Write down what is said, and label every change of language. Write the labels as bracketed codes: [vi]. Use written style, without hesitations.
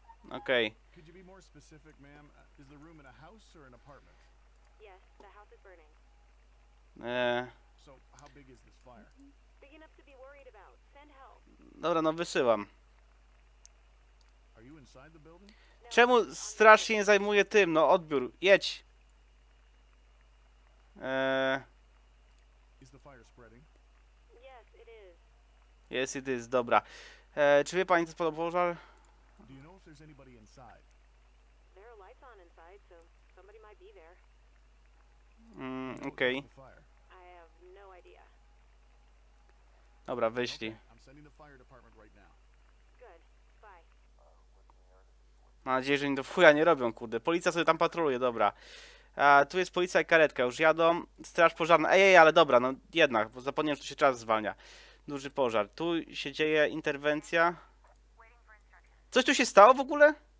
[pl] Okej. [en] Could you be more specific, ma'am? Is the room in a house or an apartment? Yes, the house is burning. So how big is this fire? Big enough to be worried about. Send help. [pl] Dobra, no wysyłam. [en] Are you inside the building? [pl] Czemu straż się nie zajmuje tym? No odbiór, jedź. [en] Is the fire spreading? Yes, it is. Yes, it is. Dobra. [pl] Czy wie pani, co spadł pożar? [en] Do you know if there's anybody inside? There are lights on inside, so somebody might be there. [pl] Okej. [en] I have no idea. [pl] Dobra, wyślij. [en] Okay, I'm sending the fire department right now. Good. Bye. [pl] Mam nadzieję, że oni do fuja nie robią, kurde. Policja sobie tam patroluje, dobra. A tu jest policja i karetka, już jadą. Straż pożarna. Ej, ale dobra, no jednak, bo zapomniałem, że tu się czas zwalnia. Duży pożar. Tu się dzieje interwencja. Coś tu się stało w ogóle?